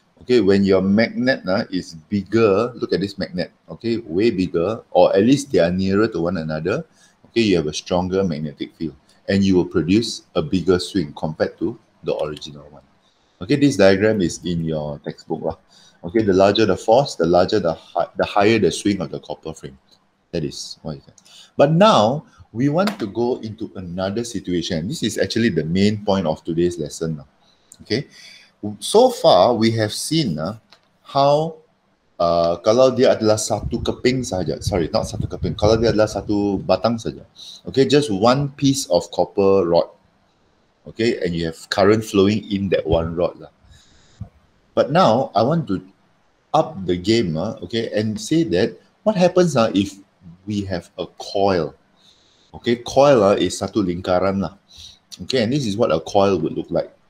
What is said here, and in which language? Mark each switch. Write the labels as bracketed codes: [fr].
[en] Okay, when your magnet is bigger, look at this magnet, okay, way bigger, or at least they are nearer to one another, okay, you have a stronger magnetic field, and you will produce a bigger swing compared to the original one. Okay, this diagram is in your textbook. Okay, the larger the force, the larger the higher the swing of the copper frame. That is what you said. But now, we want to go into another situation. This is actually the main point of today's lesson. Okay. So far, we have seen how [ms] kalau dia adalah satu keping saja. [en] Sorry, not [ms] satu keping. Kalau dia adalah satu batang saja. [en] Okay, just one piece of copper rod. Okay, and you have current flowing in that one rod. But now, I want to up the game, okay, and say that what happens if we have a coil. Okay, coil is [ms] satu lingkaran. [en] Okay, and this is what a coil would look like.